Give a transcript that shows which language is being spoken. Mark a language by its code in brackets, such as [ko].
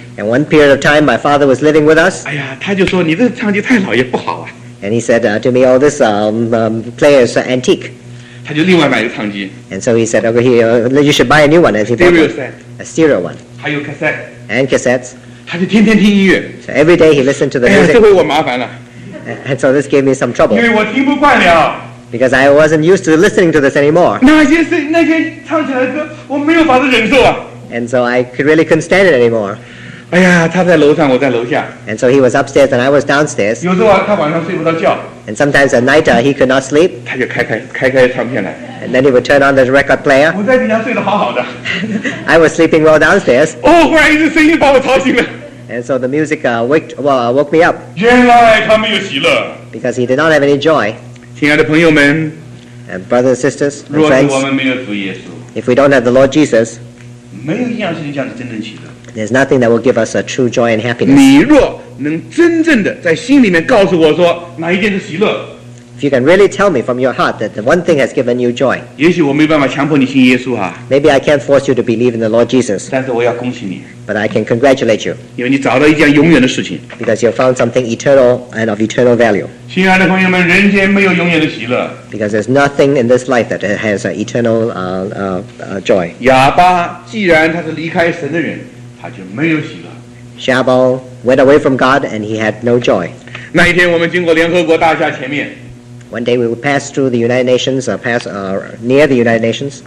[en] And one period of time, my father was living with us. [zh] 哎呀，他就说你这唱机太老也不好啊。 [en] And he said to me, "Oh, this player is antique." [zh] 他就另外买一个唱机。 [en] And so he said, "Okay, you should buy a new one." Stereo set. A stereo one. [zh] 还有 cassette. [en] And cassettes. [zh] 他就天天听音乐。 [en] So every day he listened to the music. [zh] 哎呀，这回我麻烦了。 [en] And so this gave me some trouble. [zh] 因为我听不惯了。 [en] Because I wasn't used to listening to this anymore. [zh] 那些唱起来的歌，我没有法子忍受啊。 [en] And so I really couldn't stand it anymore. [zh] 哎呀，他在楼上，我在楼下。 [en] And so he was upstairs and I was downstairs. [zh] 有时候他晚上睡不着觉。 [en] And sometimes at night he could not sleep. [zh] 他就开唱片来。 [en] And then he would turn on the record player. [zh] 我在底下睡得好好的。 [en] I was sleeping well downstairs. [zh] 哦，忽然一阵声音把我吵醒了。 [en] And so the music woke me up. [zh] 原来他没有喜乐。 [en] Because he did not have any joy. [zh] 亲爱的朋友们。 [en] And brothers and sisters, and friends. [zh] 若是我们没有主耶稣。 [en] If we don't have the Lord Jesus. [zh] 没有一样事情叫你真正喜乐。 [en] There's nothing that will give us a true joy and happiness. [zh] 你若能真正的在心里面告诉我说哪一件是喜乐。 [en] If you can really tell me from your heart that the one thing has given you joy. [zh] 也许我没办法强迫你信耶稣啊。 [en] Maybe I can't force you to believe in the Lord Jesus. [zh] 但是我要恭喜你。 [en] But I can congratulate you. [zh] 因为你找到一件永远的事情。 [en] Because you found something eternal and of eternal value. [zh] 亲爱的朋友们，人间没有永远的喜乐。 [en] Because there's nothing in this life that has an eternal joy. [zh] 亚巴既然他是离开神的人，他就没有喜乐。 [en] Shabal went away from God and he had no joy. [zh] 那一天我们经过联合国大厦前面。 [en] One day we would pass through the United Nations, near the United Nations.